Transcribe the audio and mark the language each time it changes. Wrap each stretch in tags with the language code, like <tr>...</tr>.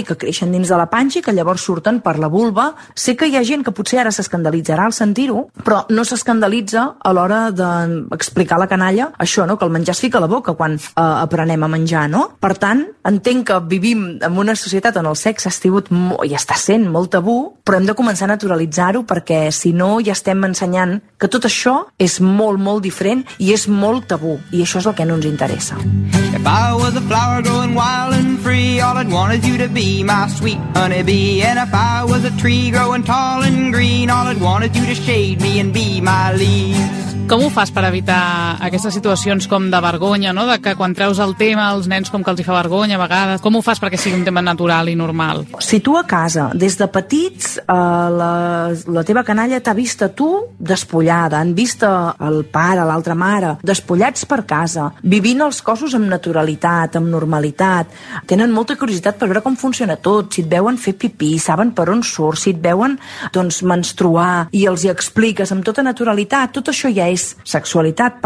<ca>I que creixen dins de la panxa i que llavors surten per la vulva. Sé que hi ha gent que potser ara s'escandalitzarà al sentir-ho, però no s'escandalitza a l'hora d'explicar a la canalla això, no? Que el menjar es fica a la boca quan aprenem a menjar, no? Per tant, entenc que vivim en una societat on el sexe ha estat i està sent molt tabú, però hem de començar a naturalitzar-ho perquè, si no, ja estem ensenyant que tot això és molt, molt diferent i és molt tabú, i això és el que no ens interessa.</ca> <en>If I was a flower growing wild and free, all I'd want is you to be my sweet honeybee. And if I was a tree growing tall and green, all I'd want is you to shade me and be my leaves.</en> <ca>Com ho fas per evitar aquestes situacions com de vergonya, no? De que quan treus el tema als nens com que els hi fa vergonya a vegades. Com ho fas perquè sigui un tema natural i normal? Si tu a casa, des de petits, la teva canalla t'ha vist a tu despullada, han vist el pare, l'altra mare, despullats per casa, vivint els cossos amb naturalitat, amb normalitat, tenen molta curiositat per veure com funciona tot, si et veuen fer pipí, saben per on surt, si et veuen doncs menstruar i els hi expliques amb tota naturalitat, tot això ja és sexualitat.</ca>